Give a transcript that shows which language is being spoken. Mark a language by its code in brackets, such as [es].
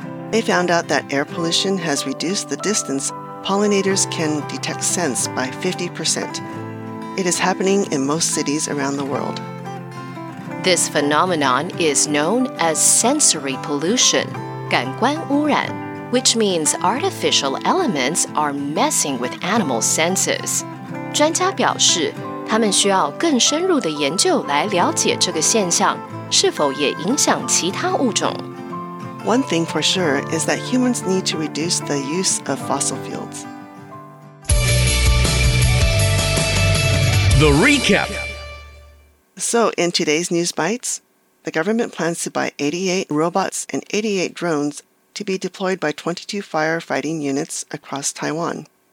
[en] They found out that air pollution has reduced the distance pollinators can detect scents by 50%. It is happening in most cities around the world. This phenomenon is known as sensory pollution, 感官污染, which means artificial elements are messing with animal senses. [zh] 专家表示, 他们需要更深入的研究来了解这个现象是否也影响其他物种。 [en] One thing for sure is that humans need to reduce the use of fossil fuels. The Recap. So, in today's News Bites, the government plans to buy 88 robots and 88 drones to be deployed by 22 firefighting units across Taiwan.